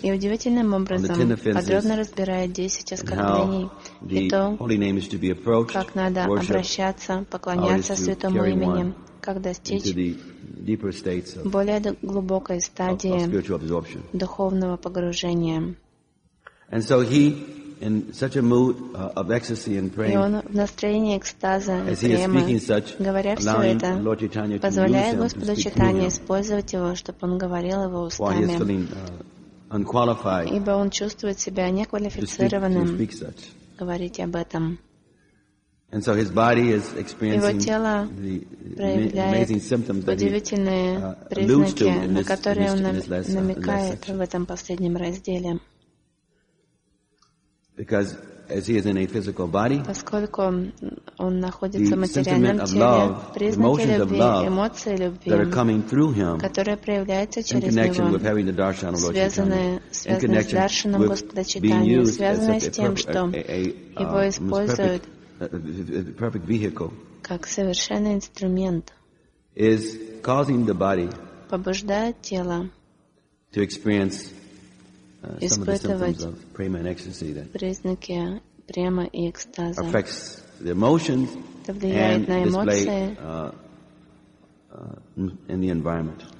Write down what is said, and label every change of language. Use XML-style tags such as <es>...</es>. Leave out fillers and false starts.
<ru>И удивительным образом подробно разбирает 10 оскорблений и то,</ru> <en>holy name is to be approached,</en> <ru>как надо</ru> <en>worship,</en> <ru>обращаться, поклоняться святому имени, как достичь более глубокой стадии духовного погружения.</ru> <en>And so he, in such a mood of ecstasy and praying, as he is speaking such, allowing Lord Chaitanya to use him to speak</en> <ru>использовать его, чтобы он говорил его устами.</ru> <en>While he is feeling unqualified,</en> <ru>ибо он чувствует себя неквалифицированным говорить об этом.</ru> <en>And so his body is experiencing the amazing symptoms that he alludes to in his last</en> <ru>в этом последнем разделе.</ru> <en>Because as he is in a physical body,</en> <ru>поскольку он находится в материальном теле, признаки любви, эмоции любви,</ru> <en>that are coming through him,</en> <ru>которые проявляются через него,</ru> <en>in connection with having the darshan of Lord Chaitanya, in connection with being used as a perfect vehicle,</en> <ru>как совершенный инструмент,</ru> <en>is causing the body,</en> <ru>побуждает тело,</ru> <en>to experience</en> <ru>признаки према и экстаза.</ru> <en>Affects the emotions in the environment.</en>